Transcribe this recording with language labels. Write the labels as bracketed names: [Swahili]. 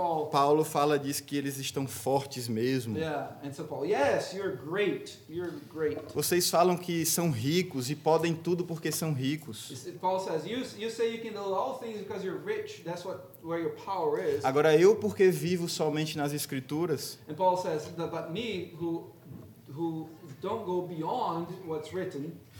[Portuguese] Paulo fala, diz que eles estão fortes mesmo. [English] Yeah. And so Paul, yes, you're great. [Portuguese] Vocês falam que são ricos e podem tudo porque são ricos. [English] Paul says, you say you can do all things because you're rich. That's what where your power is. [Portuguese] Agora eu, porque vivo somente nas escrituras. [English] And Paul says, but me who don't go beyond what's written.